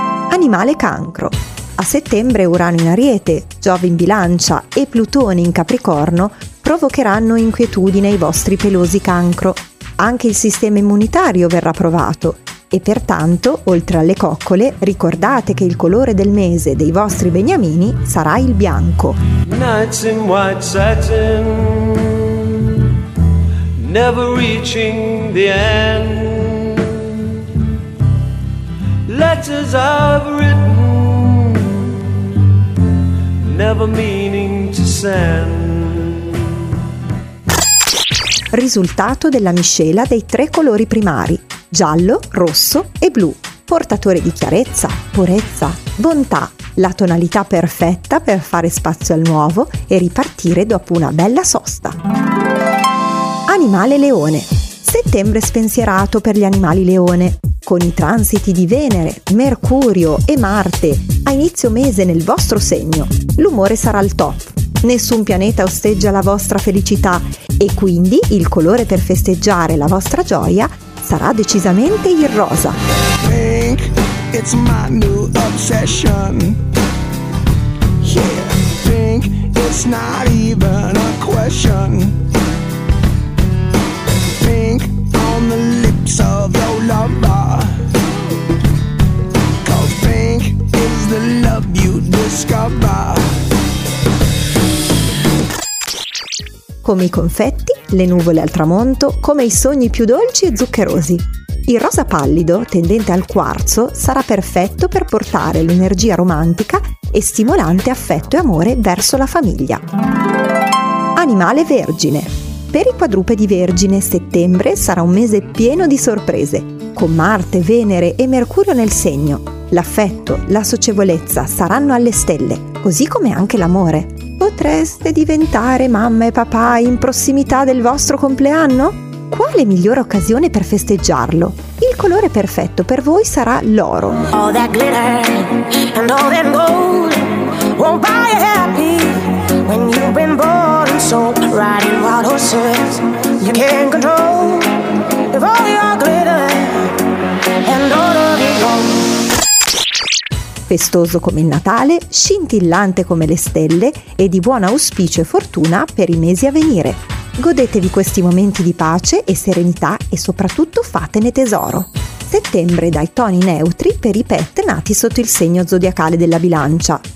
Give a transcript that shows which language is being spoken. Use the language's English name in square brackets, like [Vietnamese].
[Italian] Animale Cancro. A settembre Urano in Ariete, Giove in Bilancia e Plutone in Capricorno provocheranno inquietudine ai vostri pelosi Cancro. Anche il sistema immunitario verrà provato e pertanto, oltre alle coccole, ricordate che il colore del mese dei vostri beniamini sarà il bianco. [English] Nights in white satin, never reaching the end. Letters I've written, never meaning to send. [Italian] Risultato della miscela dei tre colori primari, giallo, rosso e blu, portatore di chiarezza, purezza, bontà, la tonalità perfetta per fare spazio al nuovo e ripartire dopo una bella sosta. Animale leone. Settembre spensierato per gli animali leone. Con i transiti di Venere, Mercurio e Marte a inizio mese nel vostro segno, l'umore sarà al top. Nessun pianeta osteggia la vostra felicità e quindi il colore per festeggiare la vostra gioia sarà decisamente il rosa. [English] Pink, it's my new obsession. Yeah, pink, it's not even a question. Pink on the lips of your lover. Cause pink is the love you discover. [Italian] Come i confetti, le nuvole al tramonto, come i sogni più dolci e zuccherosi. Il rosa pallido, tendente al quarzo, sarà perfetto per portare l'energia romantica e stimolante affetto e amore verso la famiglia. Animale vergine. Per i quadrupedi vergine, settembre sarà un mese pieno di sorprese. Con Marte, Venere e Mercurio nel segno, l'affetto, la socievolezza saranno alle stelle, così come anche l'amore. Potreste diventare mamma e papà in prossimità del vostro compleanno? Quale migliore occasione per festeggiarlo? Il colore perfetto per voi sarà l'oro. [English] All that glitter and all that gold won't buy you happy when you've been born and sold. Riding wild horses you can't control if all your glitter and all of your gold. [Italian] Festoso come il Natale, scintillante come le stelle e di buon auspicio e fortuna per i mesi a venire. Godetevi questi momenti di pace e serenità e soprattutto fatene tesoro. Settembre dai toni neutri per i pet nati sotto il segno zodiacale della Bilancia.